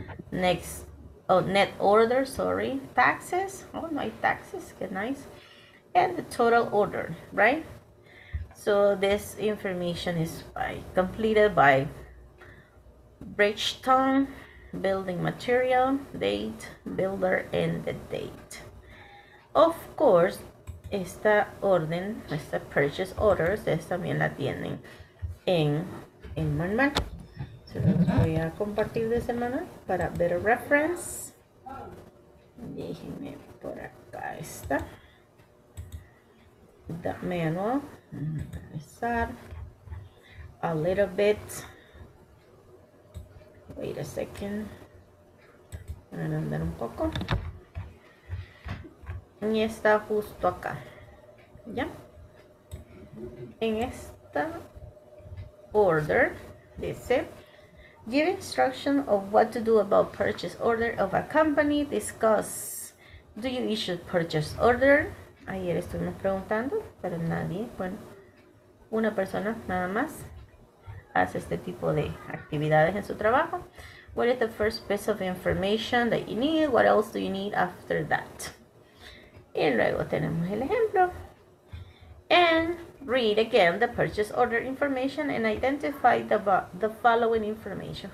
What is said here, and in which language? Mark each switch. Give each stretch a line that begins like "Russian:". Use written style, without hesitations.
English: Next, net order, sorry, taxes. Oh,
Spanish: no hay taxes, qué nice.
English: And the total order, right? So this information is by, completed by Bridgestone. Building material, date, builder, and the date. Of course,
Spanish: esta orden, esta purchase order, ustedes también la tienen en manual. Se los voy a compartir de semana para
English: better reference.
Spanish: Déjenme por acá esta.
English: The manual.
Spanish: Empezar.
English: A little bit. Wait a second.
Spanish: Voy a andar un poco. Y está justo acá. ¿Ya? En esta order, dice,
English: give instruction of what to do about purchase order of a company. Discuss, do you issue purchase order?
Spanish: Ayer estuvimos preguntando, pero nadie, bueno, una persona nada más hace este tipo de actividades en su trabajo.
English: What is the first piece of information that you need? What else do you need after that?
Spanish: Y luego tenemos el ejemplo.
English: And read again the purchase order information and identify the following information.